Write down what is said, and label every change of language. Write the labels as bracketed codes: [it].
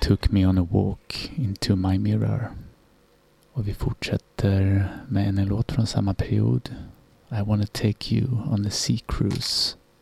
[en] Me on a walk into my mirror. [sv] Och vi fortsätter med en låt från samma period. [en] I wanna take you on a sea cruise.